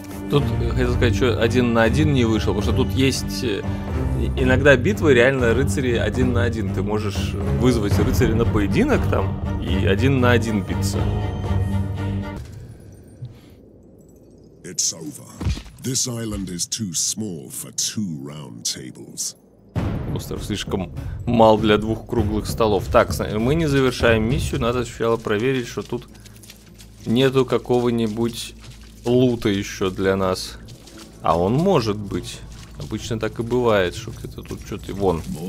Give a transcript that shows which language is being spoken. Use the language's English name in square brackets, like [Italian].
[Russian] Тут, хотел сказать, что один на один не вышел, потому что тут есть иногда битвы, реально рыцари один на один. Ты можешь вызвать рыцаря на поединок там и один на один биться. [English] It's over. This island is too small for two round tables. [Russian] Остров слишком мал для двух круглых столов. Так, мы не завершаем миссию, надо сначала проверить, что тут нету какого-нибудь... лута еще для нас. А он может быть. Обычно так и бывает, что где-то тут что-то... Вон.